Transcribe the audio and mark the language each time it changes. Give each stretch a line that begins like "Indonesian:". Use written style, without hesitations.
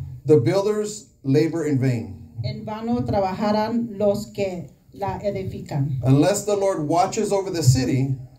English: the builders labor in vain.
Spanish: En vano trabajarán los que la edifican.
English: Unless the Lord watches over the city,